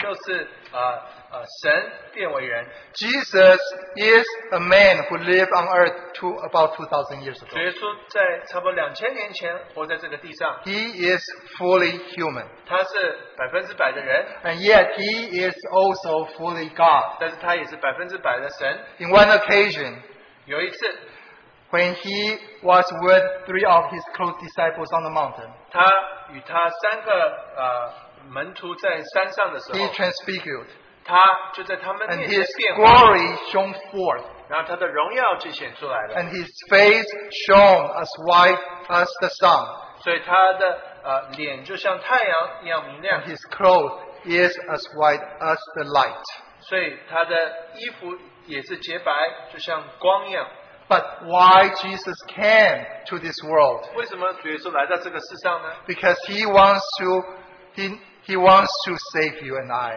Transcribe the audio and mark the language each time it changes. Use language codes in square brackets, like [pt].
[zh] 所以神主耶稣就是神变为人。 [en] Jesus is a man who lived on earth about 2,000 years ago. [zh] 主耶稣在差不多2000年前活在这个地上。 [en] He is fully human. [zh] 他是100%的人。 [en] And yet He is also fully God. [zh] 但是他也是100%的神。 [en] In one occasion, [zh] 有一次, [en] when He was with three of His close disciples on the mountain, [zh] 他与他三个 [en] He transfigured, [zh] 他就在他们面前变化, [en] and His glory shone forth, [zh] 然后他的荣耀就显出来了, [en] and His face shone as white as the sun. [zh] 所以他的, 脸就像太阳一样明亮, [en] and His clothes is as white as the light. [zh] 所以他的衣服也是洁白, 就像光一样。 [en] But why Jesus came to this world? [zh] 为什么主耶稣来到这个世上呢? [en] Because He wants to, He wants to save you and I.